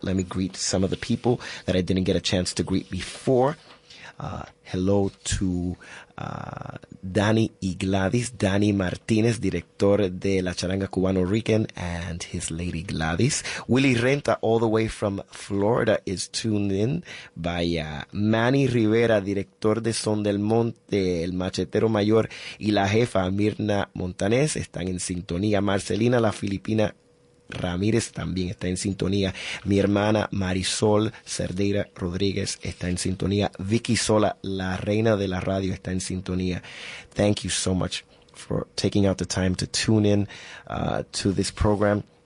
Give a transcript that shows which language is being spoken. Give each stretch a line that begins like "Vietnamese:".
English: Let me greet some of the people that I didn't get a chance to greet before. Hello to Danny Igladis, Danny Martinez,
Spanish: director de
English: La Charanga Cubano Rican, and his lady Gladys. Willie Renta, all the way from Florida, is tuned in.
Spanish: Vaya. Manny Rivera, director de Son del Monte, el machetero mayor, y la jefa Mirna Montanés, están en sintonía. Marcelina, la Filipina Ramírez, también está en sintonía. Mi hermana Marisol Cerdeira Rodríguez está en sintonía. Vicky Sola, la reina de la radio, está en sintonía.
English: Thank you so much for taking out the time to tune in to this program.